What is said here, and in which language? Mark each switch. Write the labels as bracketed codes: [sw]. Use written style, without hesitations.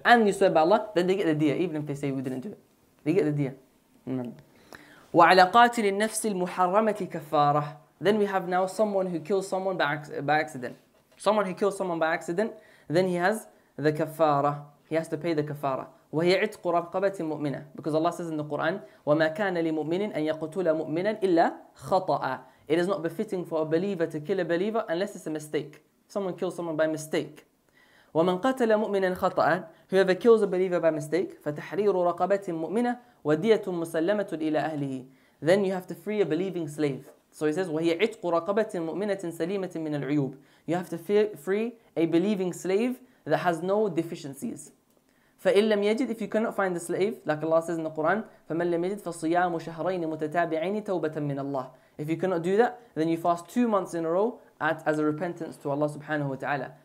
[en] and you swear by Allah, then they get the diyah, even if they say we didn't do it. They get the diyah. Then we have now someone who kills someone by accident. Someone who kills someone by accident, then he has the kafara. He has to pay the kafara. [ar] وهي عتق رقبة مؤمنة. [en] Because Allah says in the Quran, [ar] وما كان لمؤمن أن يقتل مؤمنا إلا خطأ. [en] It is not befitting for a believer to kill a believer unless it's a mistake. Someone kills someone by mistake. [ar] ومن قتل مؤمنا خطأ. [en] Whoever kills a believer by mistake, [ar] فتحرير رقبة مؤمنة ودية مسلمة إلى أهله. [en] Then you have to free a believing slave. So he says, [ar] وهي عتق رقبة مؤمنة سليمة من العيوب. [en] You have to free a believing slave that has no deficiencies. [ar] فإن لم يجد, [en] if you cannot find the slave, like Allah says in the Quran, [ar] فمن لم يجد فصيام شهرين متتابعين توبة من الله. [en] If you cannot do that, then you fast 2 months in a row as a repentance to Allah subhanahu wa ta'ala.